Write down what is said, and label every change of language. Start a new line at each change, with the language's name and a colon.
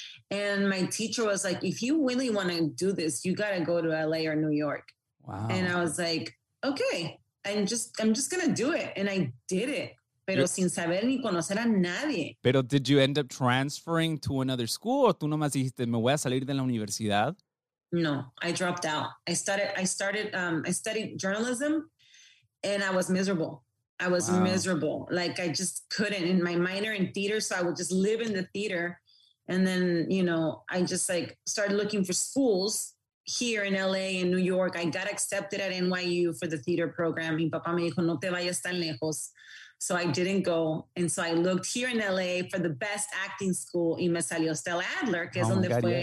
English: And my teacher was like, if you really want to do this, you got to go to LA or New York. Wow. And I was like, okay, I'm just going to do it. And I did it.
Spanish: Pero sin saber ni conocer a nadie.
English: Pero did you end up transferring to another school?
Spanish: ¿O tú nomás dijiste, me voy a salir de la universidad?
English: No, I dropped out. I studied journalism and I was miserable. I was miserable. Like I just couldn't. In my minor in theater, so I would just live in the theater. And then, you know, I just like started looking for schools here in LA and New York. I got accepted at NYU for the theater program.
Spanish: Mi papá me dijo, no te vayas tan lejos.
English: So I didn't go. And so I looked here in LA for the best acting school.
Spanish: Y me salió Stella Adler, que es donde fue.